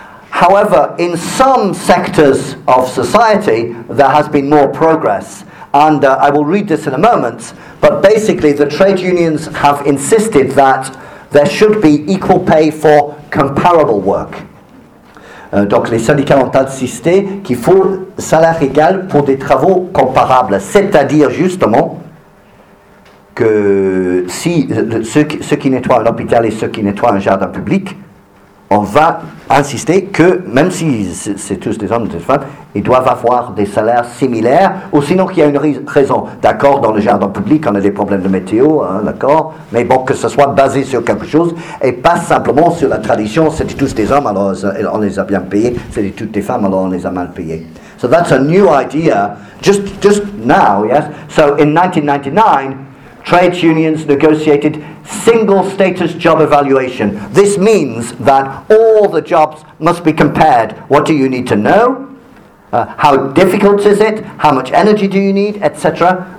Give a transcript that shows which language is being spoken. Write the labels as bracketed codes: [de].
[en] However, in some sectors of society, there has been more progress. And I will read this in a moment, but basically the trade unions have insisted that there should be equal pay for comparable work. [fr] Donc les syndicats ont insisté qu'il faut salaire égal pour des travaux comparables. C'est-à-dire justement que si ceux qui nettoient un hôpital et ceux qui nettoient un jardin public, on va insister que, même si c'est tous des hommes et des femmes, ils doivent avoir des salaires similaires, ou sinon qu'il y a une raison. D'accord, dans le jardin public, on a des problèmes de météo, hein, d'accord, mais bon, que ce soit basé sur quelque chose, et pas simplement sur la tradition, c'est tous des hommes, alors on les a bien payés, c'est toutes des femmes, alors on les a mal payés. [en] So that's a new idea, just now, yes? So in 1999, trade unions negotiated single status job evaluation. This means that all the jobs must be compared. What do you need to know? How difficult is it? How much energy do you need, etc.?